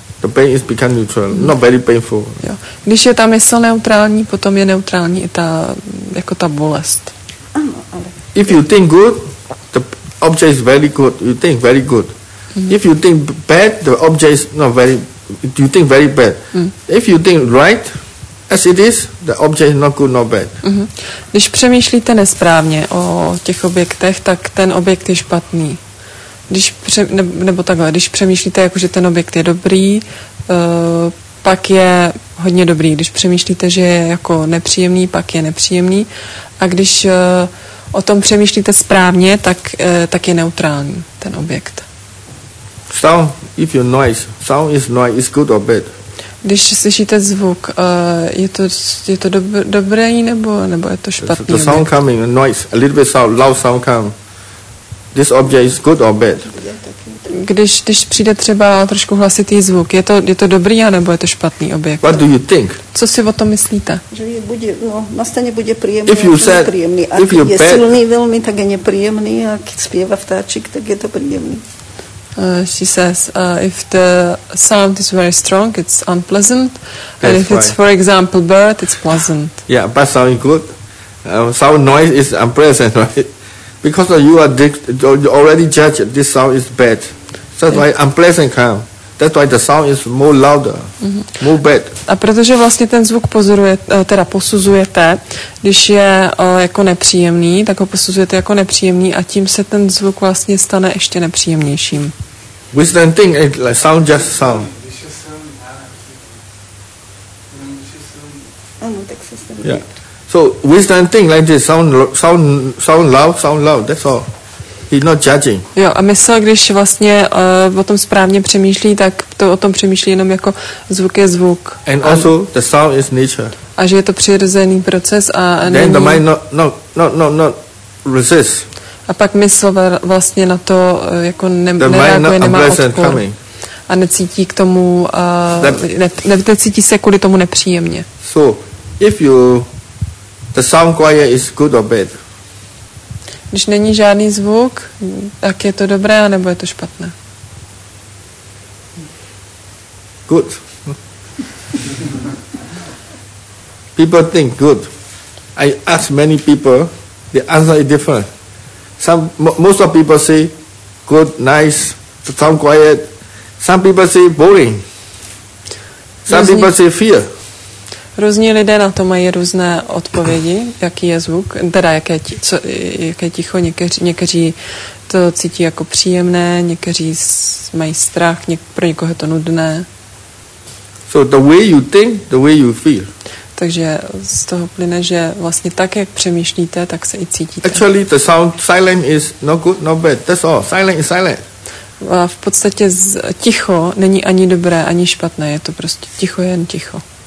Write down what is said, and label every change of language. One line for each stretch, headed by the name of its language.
English: The pain is become neutral, not very painful.
Czech: Jo. Když je ta mysl neutrální, potom je neutrální i ta jako ta bolest. Ano, ale.
English: If you think good, the object is very good. You think very good. Mm. If you think bad, the object is not very. You think very bad. Mm. If you think right, as it is, the object is not good, not bad. Mm-hmm.
Czech: Když přemýšlíte nesprávně o těch objektech, tak ten objekt je špatný. Když nebo takhle, když přemýšlíte, jakože ten objekt je dobrý, pak je hodně dobrý. Když přemýšlíte, že je jako nepříjemný, pak je nepříjemný. A když o tom přemýšlíte správně, tak je neutrální ten objekt.
English: Sound, if you noise, sound is noise, is good or bad.
Czech: Když slyšíte zvuk, je to dobrý nebo je to špatný?
English: The sound
Czech: objekt?
English: Coming, noise, a little bit sound, loud sound come. This object is good or bad?
Czech: Když přijde třeba trošku hlasitý zvuk, je to dobrý nebo je to špatný objekt?
English: What do you think?
Czech: Co si o tom myslíte? Že bude, na scéně bude příjemný,
English: if you said,
Czech: nepříjemný.
English: If you're
Slovak: bad, silný velmi, tak je nepříjemný, a když zpívá vtáčik, tak je to příjemný.
English: She says, if the sound is very strong, it's unpleasant. And if it's, for example, bird, it's pleasant. Yeah, bird sound good. Sound noise is unpleasant, right? Because you are you already judge this sound is bad. That's why unpleasant come. That's why the sound is more louder, mm-hmm. more bad.
Czech: A protože vlastně ten zvuk posuzujete, když je jako nepříjemný, tak ho posuzujete jako nepříjemný a tím se ten zvuk vlastně stane ještě nepříjemnějším.
English: Wisdom thing is like sound just sound. Yeah. So wisdom thing like this sound loud, that's all. He's not judging.
Czech: Jo, a mysl, když vlastně o tom správně přemýšlí, tak to o tom přemýšlí jenom jako zvuk je zvuk.
English: And also the sound is nature.
Czech: A že je to přirozený proces a
English: then
Czech: není...
English: Then the mind not resist.
Czech: A pak mysl vlastně na to jako nereaguje, nemá odpor. Coming. A necítí k tomu, necítí se kvůli tomu nepříjemně.
English: So, if you... The sound quiet is good or bad.
Czech: Když není žádný zvuk, tak je to dobré, nebo je to špatné?
English: Good. People think good. I ask many people, the answer is different. Most of people say good, nice, to sound quiet. Some people say boring. Some people say fear.
Czech: Různí lidé na to mají různé odpovědi, jaký je zvuk, teda jaké ticho, někteří to cítí jako příjemné, někteří mají strach, pro někoho je to nudné.
English: So the way you think, the way you feel.
Czech: Takže z toho plyne, že vlastně tak, jak přemýšlíte, tak se i cítíte.
English: Actually the sound silent is no good, no bad, that's all, silent is silent.
Czech: V podstatě ticho není ani dobré, ani špatné, je to prostě ticho, jen ticho.